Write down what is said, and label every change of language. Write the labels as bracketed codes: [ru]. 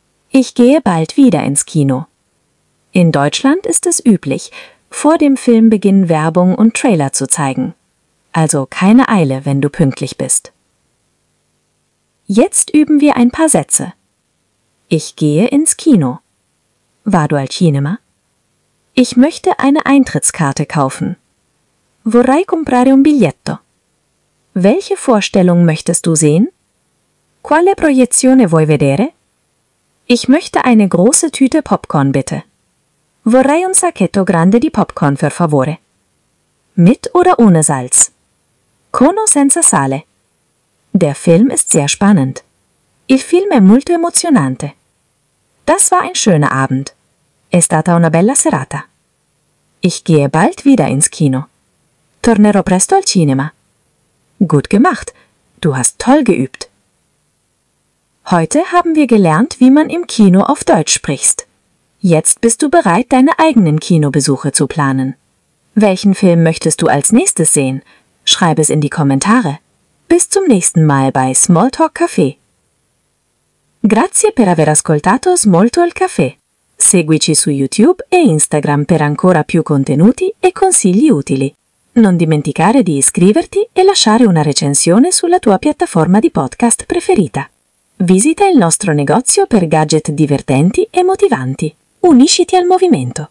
[de] Ich gehe bald wieder ins Kino. In Deutschland ist es üblich, vor dem Filmbeginn Werbung und Trailer zu zeigen. Also keine Eile, wenn du pünktlich bist. Jetzt üben wir ein paar Sätze. Ich gehe ins Kino. [it] Vado al cinema. [de] Ich möchte eine Eintrittskarte kaufen. [it] Vorrei comprare un biglietto. [de] Welche Vorstellung möchtest du sehen? [it] Quale proiezione vuoi vedere? [de] Ich möchte eine große Tüte Popcorn, bitte. [it] Vorrei un sacchetto grande di popcorn, per favore. [de] Mit oder ohne Salz? [it] Con o senza sale? [de] Der Film ist sehr spannend. [it] Il film è molto emozionante. [de] Das war ein schöner Abend. [it] È stata una bella serata. [de] Ich gehe bald wieder ins Kino. [it] Tornerò presto al cinema. [de] Gut gemacht. Du hast toll geübt. Heute haben wir gelernt, wie man im Kino auf Deutsch spricht. Jetzt bist du bereit, deine eigenen Kinobesuche zu planen. Welchen Film möchtest du als nächstes sehen? Schreib es in die Kommentare. Bis zum nächsten Mal bei Smalltalk Café. [it] Grazie per aver ascoltato Smalltalk Café. Seguici su YouTube e Instagram per ancora più contenuti e consigli utili. Non dimenticare di iscriverti e lasciare una recensione sulla tua piattaforma di podcast preferita. Visita il nostro negozio per gadget divertenti e motivanti. Unisciti al movimento!